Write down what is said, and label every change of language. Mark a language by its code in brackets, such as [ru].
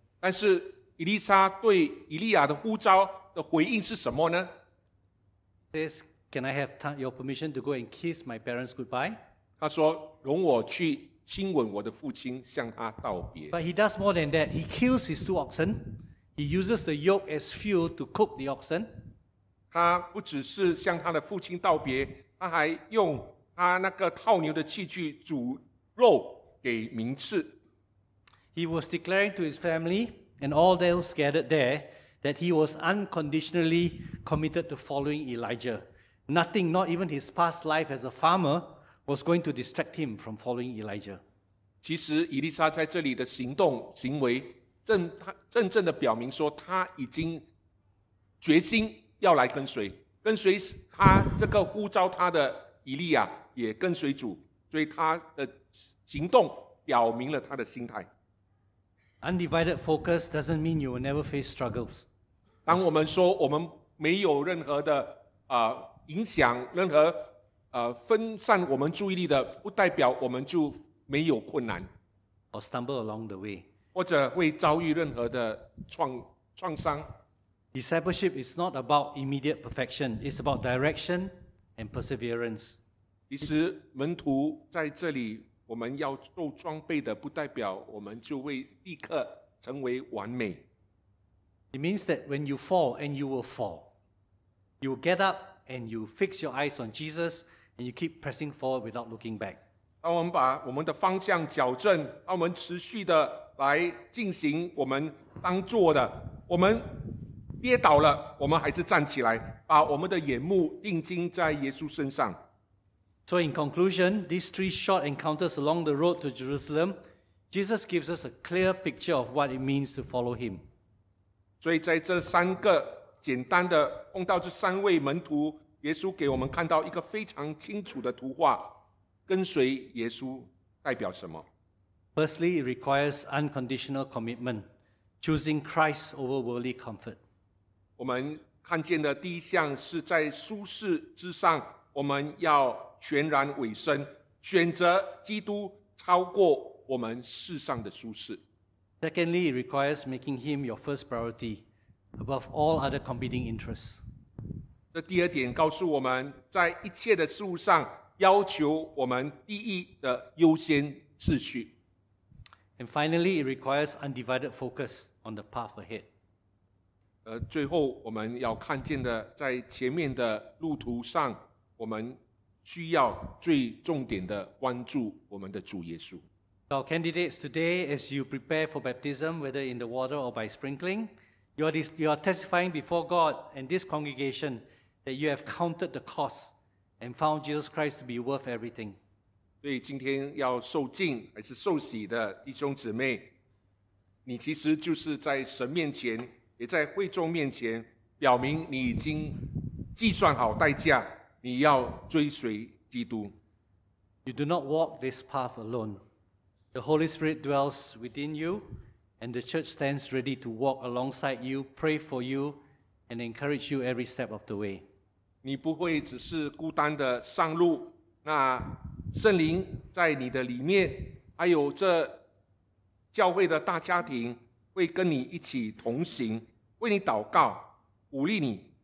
[zh] 但是以利沙对以利亚的呼召的回应是什么呢？ [en] Says, "Can I have your permission to go and kiss my parents goodbye?" [zh] 他说：“容我去亲吻我的父亲，向他道别。” [en] But he does more than that. He kills his two oxen. He uses the yoke as fuel to cook the oxen. [zh] 他不只是向他的父亲道别，他还用他那个套牛的器具煮肉给民吃。 [en] He was declaring to his family and all those gathered there that he was unconditionally committed to following Elijah. Nothing, not even his past life as a farmer, was going to distract him from following Elijah. [zh] 其实以利沙在这里的行动行为真正的表明说他已经决心要来跟随他这个呼召他的以利亚也跟随主，所以他的行动表明了他的心态。 [en] Undivided focus doesn't mean you will never face struggles. [zh] 当我们说我们没有任何的影响，任何分散我们注意力的，不代表我们就没有困难 [en] or stumble along the way. [zh] 或者会遭遇任何的创伤。 [en] Discipleship is not about immediate perfection. It's about direction and perseverance. [zh] 其实门徒在这里我们要受装备的，不代表我们就会立刻成为完美。 [en] It means that when you fall, and you will fall, you will get up and you fix your eyes on Jesus and you keep pressing forward without looking back. [zh] 当我们把我们的方向矫正，当我们持续的来进行我们当做的，我们跌倒了，我们还是站起来，把我们的眼目定睛在耶稣身上。 [en] So in conclusion, these three short encounters along the road to Jerusalem, Jesus gives us a clear picture of what it means to follow him. [zh] 所以在这三个简单的碰到这三位门徒，耶稣给我们看到一个非常清楚的图画，跟随耶稣代表什么？ [en] Firstly, it requires unconditional commitment, choosing Christ over worldly comfort. [zh] 我们看见的第一项是在舒适之上，我们要全然委身，选择基督超过我们世上的舒适。 [en] Secondly, it requires making him your first priority above all other competing interests. [zh] 这第二点告诉我们，在一切的事物上要求我们第一的优先次序。 [en] And finally, it requires undivided focus on the path ahead. [zh] 最后我们要看见的，在前面的路途上，我们需要最重点的关注我们的主耶稣。 [en] So candidates, today, as you prepare for baptism, whether in the water or by sprinkling, you are testifying before God and this congregation that you have counted the cost and found Jesus Christ to be worth everything. [zh] 所以今天要受浸还是受洗的弟兄姊妹，你其实就是在神面前也在会众面前表明你已经计算好代价，你要追随基督。 [en] You do not walk this path alone. The Holy Spirit dwells within you, and the church stands ready to walk alongside you, pray for you, and encourage you every step of the way. [zh] 你不会只是孤单的上路，那圣灵在你的里面，还有这教会的大家庭会跟你一起同行，为你祷告，鼓励你。